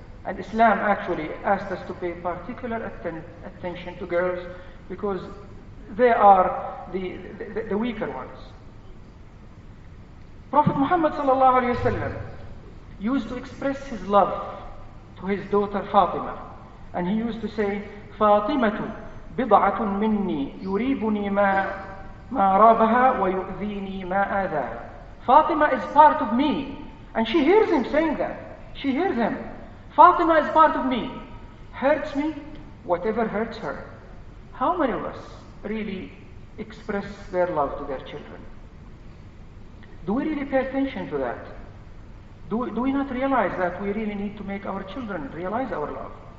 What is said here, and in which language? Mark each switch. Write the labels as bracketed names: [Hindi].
[English] And Islam actually asked us to pay particular attention to girls because they are the weaker ones. Prophet Muhammad sallallahu alaihi wasallam used to express his love to his daughter Fatima. And he used to say, [Arabic] فَاطِمَةُ بِضَعَةٌ مِنِّي يُرِيبُنِي مَا رَابَهَا وَيُؤْذِينِي مَا آذَى. [English] Fatima is part of me. And she hears him saying that. She hears him. Fatima is part of me. Hurts me, whatever hurts her. How many of us really express their love to their children? Do we really pay attention to that? Do we not realize that we really need to make our children realize our love?